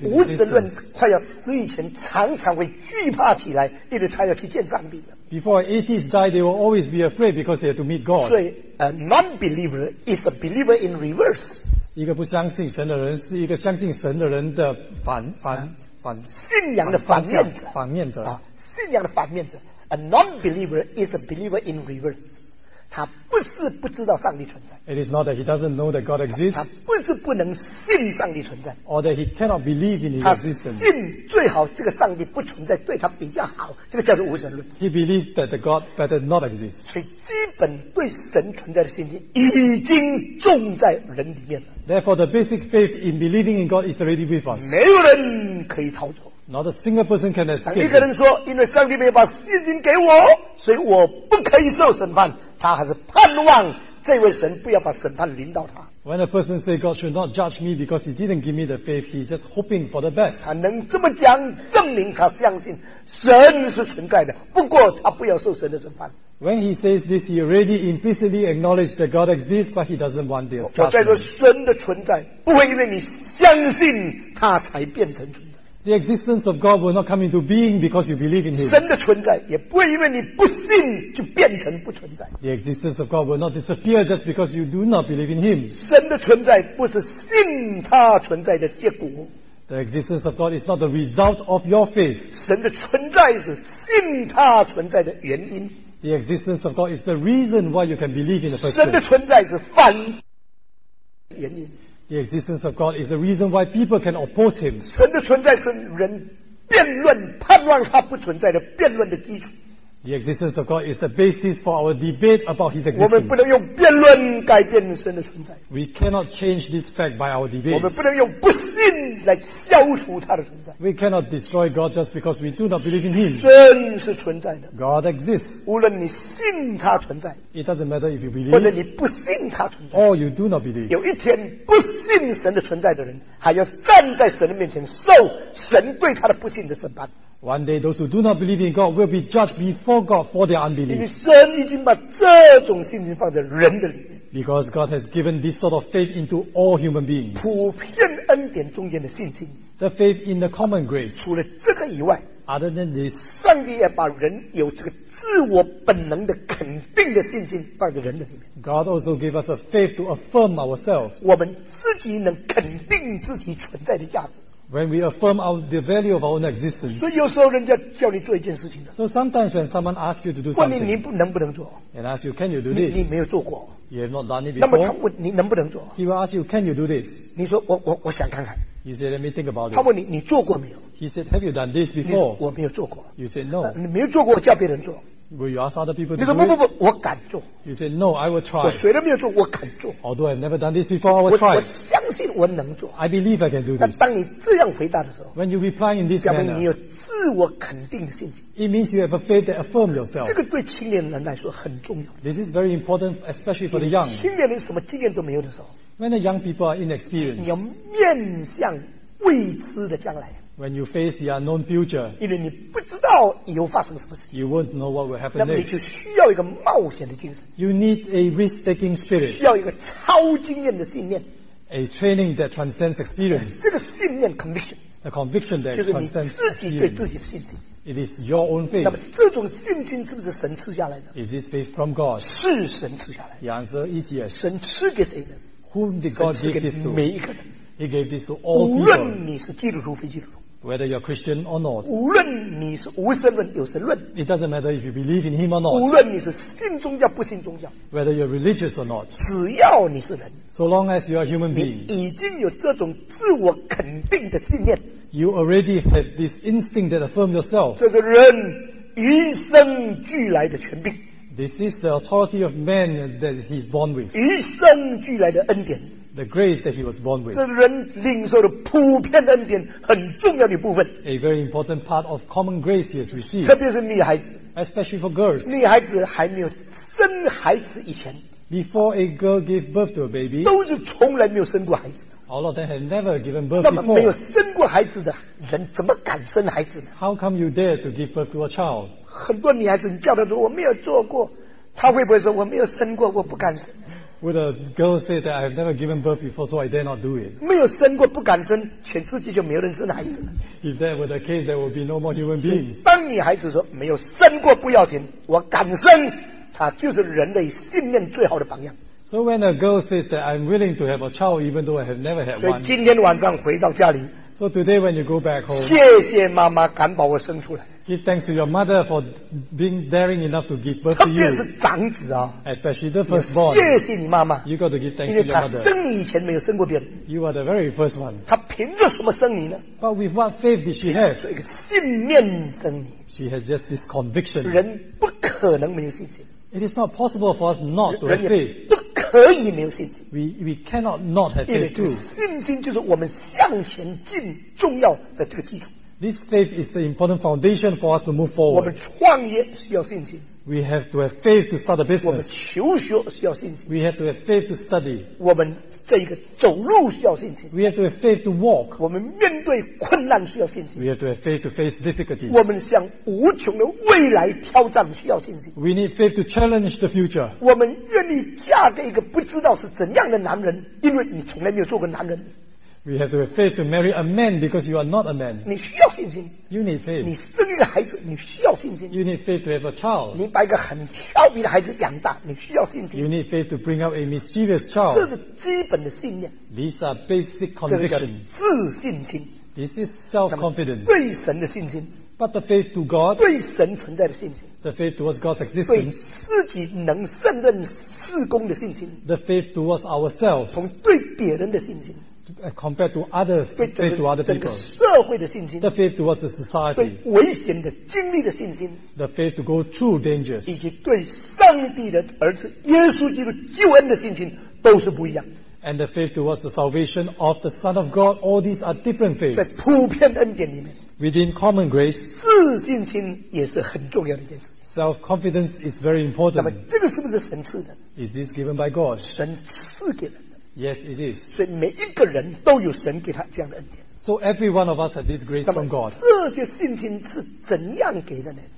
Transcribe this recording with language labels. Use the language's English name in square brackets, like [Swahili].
[English] existence. [Chinese] 你的无神论快要死以前常常会惧怕起来，因为他要去见上帝的。 [English] Before atheists die, they will always be afraid because they have to meet God. 所以 a non-believer is a believer in reverse. [Chinese] 一个不相信神的人是一个相信神的人的反信仰的反面者，反面者啊，信仰的反面者。 [English] A non-believer is a believer in reverse. [Chinese] 他不是不知道上帝存在。 [English] It is not that he doesn't know that God exists. [Chinese] 他不是不能信上帝存在。 [English] Or that he cannot believe in his existence. [Chinese] 他信最好这个上帝不存在，对他比较好，这个叫做无神论。 [English] He believes that the God better not exist. [Chinese] 所以基本对神存在的信心已经种在人里面了。 [English] Therefore, the basic faith in believing in God is already with us. [Chinese] 没有人可以逃走。 [English] Not a single person can escape. [Chinese] 一个人说，因为上帝没有把信心给我，所以我不可以受审判。他还是盼望这位神不要把审判临到他。 [English] When a person says God should not judge me because he didn't give me the faith, he's just hoping for the best. [Chinese] 他能这么讲，证明他相信神是存在的，不过他不要受神的审判。 [English] When he says this, he already implicitly acknowledged that God exists, but he doesn't want to judge [Chinese] me. 我在说神的存在，不会因为你相信他才变成存在。 [English] The existence of God will not come into being because you believe in him. [Chinese] 神的存在也不会因为你不信就变成不存在。 [English] The existence of God will not disappear just because you do not believe in him. [Chinese] 神的存在不是信他存在的结果。 [English] The existence of God is not the result of your faith. [Chinese] 神的存在是信他存在的原因。 [English] The existence of God is the reason why you can believe in the person. [Chinese] 神的存在是反原因。 [English] The existence of God is the reason why people can oppose him. [Chinese] 神的存在是人辩论盼望他不存在的辩论的基础。 [English] The existence of God is the basis for our debate about his existence. [Chinese] 我们不能用辩论改变神的存在。 [English] We cannot change this fact by our debate. [Chinese] 我们不能用不信来消除他的存在。 [English] We cannot destroy God just because we do not believe in him. [Chinese] 神是存在的。 [English] God exists. [Chinese] 无论你信他存在。 [English] It doesn't matter if you believe. [Chinese] 或者你不信他存在。 [English] Or you do not believe. [Chinese] 有一天不信神的存在的人还要站在神的面前受神对他的不信的审判。 [English] One day, those who do not believe in God will be judged before God for their unbelief. [Chinese] 神已经把这种信心放在人的里面。 [English] Because God has given this sort of faith into all human beings. [Chinese] 普遍恩典中间的信心。 [English] The faith in the common grace. [Chinese] 除了这个以外， [English] other than this, [Chinese] 上帝也把人有这个自我本能的肯定的信心放在人的里面。 [English] God also gave us a faith to affirm ourselves. [Chinese] 我们自己能肯定自己存在的价值。 [English] When we affirm the value of our own existence. [Chinese] 所以有时候人家叫你做一件事情的。 [English] So sometimes when someone asks you to do something. [Chinese] 问你你不能不能做。 [English] And ask you, can you do this? [Chinese] 你没有做过。 [English] You have not done it before. [Chinese] 那么他问你能不能做。 [English] He will ask you, can you do this? [Chinese] 你说我想看看。 [English] You say, let me think about it. [Chinese] 他问你你做过没有。 [English] He said, have you done this before? [Chinese] 我没有做过。 [English] You said, no. [Chinese] 你没有做过我叫别人做。 [English] Will you ask other people to do it? [Chinese] 你说不我敢做。 [English] You said, no, I will try. [Chinese] 我谁都没有做我敢做。 [English] Although I've never done this before, I will try. [Chinese] 我相信我能做。 [English] I believe I can do this. [Chinese] 但当你这样回答的时候， [English] When you reply in this manner, [Chinese] 你有自我肯定的信心。 [English] It means you have a faith that affirms yourself. [Chinese] 这个对青年人来说很重要。 [English] This is very important, especially for the young. [Chinese] 青年人什么经验都没有的时候， [English] When the young people are inexperienced, [Chinese] 你要面向未知的将来。 [English] When you face the unknown future, [Chinese] 因为你不知道以后发生什么事情。 [English] You won't know what will happen next. [Chinese] 那么你就需要一个冒险的精神。 [English] You need a risk-taking spirit. [Chinese] 需要一个超经验的信念。 [English] A training that transcends experience. [Chinese] 这个信念 conviction. [English] A conviction that transcends experience. [Chinese] 就是你自己对自己的信心。 [English] It is your own faith. [Chinese] 那么这种信心是不是神赐下来的？ [English] Is this faith from God? [Chinese] 是神赐下来的。 [English] The answer is yes. [Chinese] 神赐给谁呢？ [English] Whom did God give this to? [Chinese] 每一个人。 [English] He gave this to all people. [Chinese] 无论你是基督徒非基督徒。 [English] Whether you're Christian or not. [Chinese] 无论你是无神论有神论。 [English] It doesn't matter if you believe in him or not. [Chinese] 无论你是信宗教不信宗教。 [English] Whether you're religious or not. [Chinese] 只要你是人。 [English] So long as you are human being. [Chinese] 你已经有这种自我肯定的信念。 [English] You already have this instinct that affirms yourself. [Chinese] 这个人与生俱来的权柄。 [English] This is the authority of man that he's born with. [Chinese] 与生俱来的恩典。 [English] The grace that he was born with. [Chinese] 这人领受的普遍恩典很重要的部分。 [English] A very important part of common grace he has received. [Chinese] 特别是女孩子。 [English] Especially for girls. [Chinese] 女孩子还没有生孩子以前。 [English] Before a girl gave birth to a baby. [Chinese] 都是从来没有生过孩子。 [English] All of them had never given birth before. [Chinese] 那么没有生过孩子的人怎么敢生孩子呢？ [English] How come you dare to give birth to a child? [Chinese] 很多女孩子你叫她说我没有做过，她会不会说我没有生过，我不敢生。 [English] Would a girl say that I have never given birth before, so I dare not do it? [Chinese] 没有生过不敢生，全世界就没有人生孩子。 [English] If that were the case, there would be no more human beings. [Chinese] 当女孩子说没有生过不要紧，我敢生，她就是人类信念最好的榜样。 [English] So when a girl says that I'm willing to have a child, even though I have never had one. [Chinese] 所以今天晚上回到家里。 [English] So today when you go back home. [Chinese] 谢谢妈妈敢把我生出来。 [English] Give thanks to your mother for being daring enough to give birth to you. [Chinese] 特别是长子啊。 [English] Especially the firstborn. [Chinese] 谢谢你妈妈。 [English] You got to give thanks to your mother. [Chinese] 因为她生你以前没有生过别人。 [English] You are the very first one. [Chinese] 她凭着什么生你呢？ [English] But with what faith did she have? [Chinese] 一个信念生你。 [English] She has just this conviction. [Chinese] 人不可能没有信心。 [English] It is not possible for us not to have faith. [Chinese] 可以没有信心。 [English] We cannot not have faith too. [Chinese] 信心就是我们向前进重要的这个基础。 [English] This faith is the important foundation for us to move forward. [Chinese] 我们创业需要信心。 [English] We have to have faith to start a business. [Chinese] 我们求学需要信心。 [English] We have to have faith to study. [Chinese] 我们这一个走路需要信心。 [English] We have to have faith to walk. [Chinese] 我们面对困难需要信心。 [English] We have to have faith to face difficulties. [Chinese] 我们向无穷的未来挑战需要信心。 [English] We need faith to challenge the future. [Chinese] 我们愿意嫁给一个不知道是怎样的男人，因为你从来没有做过男人。 [English] We have to have faith to marry a man because you are not a man. [Chinese] 你需要信心。 [English] You need faith. [Chinese] 你生一个孩子，你需要信心。 [English] You need faith to have a child. [Chinese] 你把一个很调皮的孩子养大，你需要信心。 [English] You need faith to bring up a mischievous child. [Chinese] 这是基本的信念。 [English] These are basic convictions. [Chinese] 自信心。 [English] This is self-confidence. [Chinese] 对神的信心。 [English] But the faith to God. [Chinese] 对神存在的信心。 [English] The faith towards God's existence. [Chinese] 对自己能胜任事工的信心。 [English] The faith towards ourselves. [Chinese] 从对别人的信心。 [English] Compared to other faith to other people, [Chinese] 社会的信心, [English] the faith towards the society, [Chinese] 对危险的经历的信心, [English] the faith to go through dangers, [Chinese] 以及对上帝的儿子耶稣基督救恩的信心都是不一样, [English] and the faith towards the salvation of the Son of God, all these are different faiths. [Chinese] 在普遍恩典里面, [English] within common grace, [Chinese] 自信心也是很重要的一件事。 [English] Self-confidence is very important. [Chinese] 那么这个是不是神赐的? [English] Is this given by God? [Chinese] 神赐给了。 [English] Yes, it is. [Chinese] 所以每一个人都有神给他这样的恩典。 [English] So every one of us has this grace from God. [Chinese] 这些信心是怎样给的呢？